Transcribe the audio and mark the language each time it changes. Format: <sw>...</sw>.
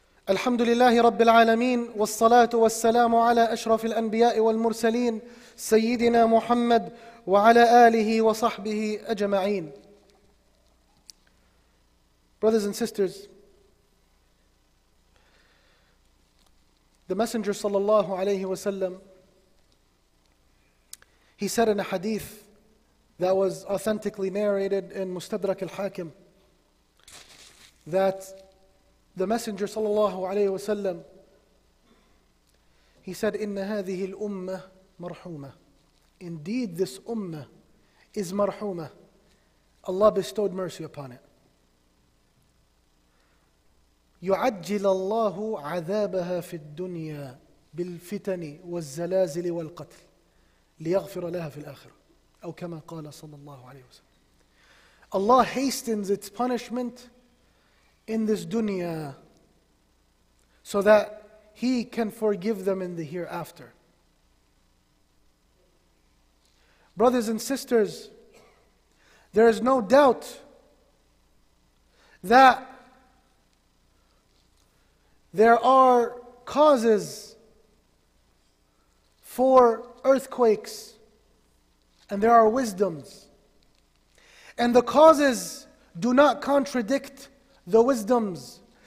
<ar>الحمد لله رب العالمين، والصلاة والسلام على أشرف الأنبياء والمرسلين سيدنا محمد وعلى آله وصحبه أجمعين.</ar> <en>Brothers and sisters, the Messenger صلى الله عليه وسلم, he said in a hadith that was authentically narrated in Mustadrak al-Hakim that the Messenger sallallahu alayhi wasallam, he said,</en> <ar>إِنَّ هَذِهِ الْأُمَّةِ مَرْحُومَةِ.</ar> <en>Indeed, this ummah is marhuma. Allah bestowed mercy upon it.</en> <ar>يُعَجِّلَ اللَّهُ عَذَابَهَا فِي الدُّنْيَا بِالْفِتَنِ وَالزَّلَازِلِ وَالْقَتْلِ لِيَغْفِرَ لَهَا فِي الْآخِرَةِ. أو كما قال صلى الله عليه وسلم.</ar> <en>Allah hastens its punishment in this dunya, so that He can forgive them in the hereafter. Brothers and sisters, there is no doubt that there are causes for earthquakes, and there are wisdoms, and the causes do not contradict the wisdoms.</en>